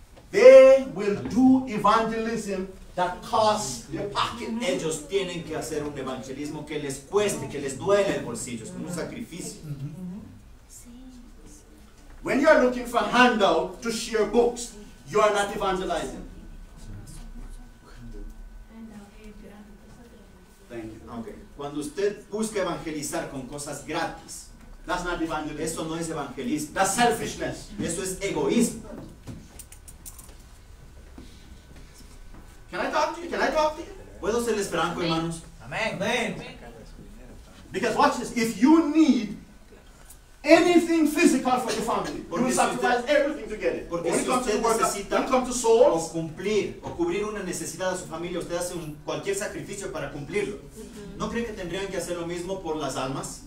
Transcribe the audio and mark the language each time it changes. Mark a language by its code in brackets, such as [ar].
[en] They will do evangelism that costs their pocket. [es] Ellos tienen que hacer un evangelismo que les cueste, que les duele el bolsillo, es como un sacrificio. [en] When you are looking for handout to share books, you are not evangelizing. Thank you. Okay. [es] Cuando usted busca evangelizar con cosas gratis, [en] that's not evangelism. [es] Eso no es evangelismo. [en] That's selfishness. [es] Eso es egoísmo. [en] Can I talk to you? [es] ¿Puedo serles franco, hermanos? Amén. [en] Because watch this. If you need anything physical for your family, you sacrifice everything to get it. [es] Porque si usted necesita [en] souls, [es] o cumplir o cubrir una necesidad de su familia, usted hace cualquier sacrificio para cumplirlo. ¿No creen que tendrían que hacer lo mismo por las almas?